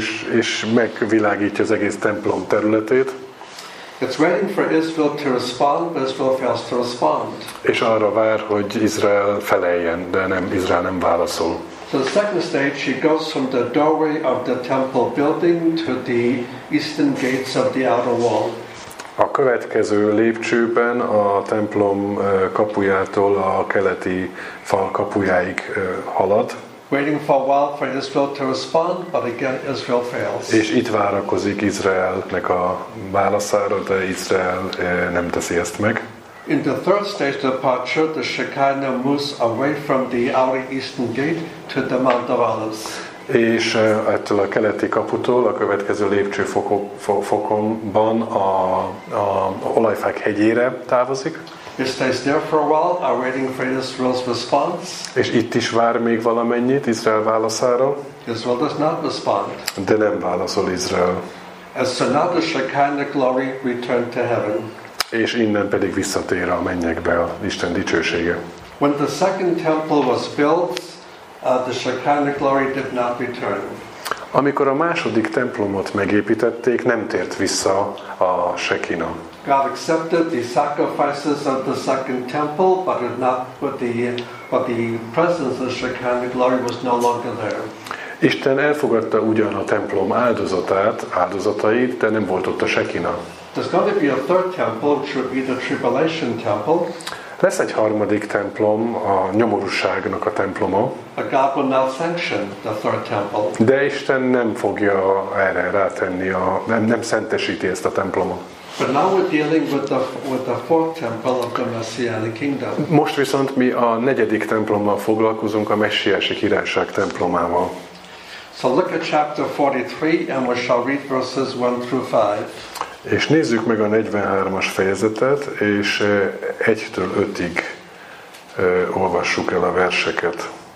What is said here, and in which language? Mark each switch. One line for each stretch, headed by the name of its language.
Hungarian: És megvilágítja az egész templom területét.
English: It's waiting for Israel to respond, but Israel fails to respond.
Hungarian: És arra vár, hogy Izrael feleljen, de nem, Izrael nem válaszol.
English: So the second stage, she goes from the doorway of the temple building to the eastern gates of the outer wall.
Hungarian: A következő lépcsőben a templom kapujától a keleti fal kapujáig halad.
English: Waiting for a while for Israel to respond, but again Israel fails.
Hungarian: És itt várakozik Izraelnek a válaszára, de Izrael nem teszi ezt meg.
English: In the third stage of departure, the Shekinah moves away from the outer eastern gate to the Mount of Olives.
Hungarian: És ettől a keleti kaputól a következő lépcsőfokonban a Olajfák hegyére távozik.
English: It stays there for a while, awaiting for Israel's response.
Hungarian: És itt is vár még valamennyit Izrael válaszára.
English: Israel does not respond.
Hungarian: De nem válaszol Izrael.
English: And so now the Shekinah glory returned to heaven.
Hungarian: És innen pedig visszatér a mennyekbe a Isten dicsősége.
English: When the second temple was built, the Shekinah glory did not return.
Hungarian: Amikor a második templomot megépítették, nem tért vissza a Shekina.
English: God accepted the sacrifices of the second temple, but did not put the presence of the Shekinah glory was no longer there.
Hungarian: Isten elfogadta ugyan a templom áldozatait, de nem volt ott a Shekina.
English: There's going to be a third temple, which would be the tribulation temple.
Hungarian: Lesz egy harmadik templom, a nyomorúságnak a temploma.
English: But God will not sanction the third temple.
Hungarian: De Isten nem fogja erre rátenni, nem szentesíti ezt a templomot.
English: But now we're dealing with the fourth temple of the Messianic kingdom.
Hungarian: Most viszont mi a negyedik templommal foglalkozunk, a messiási királyság templomával.
English: So look at chapter 43 and we shall read verses 1 through 5.
Hungarian: És nézzük meg a 43-as fejezetet, és 1-től 5-ig olvassuk el a verseket.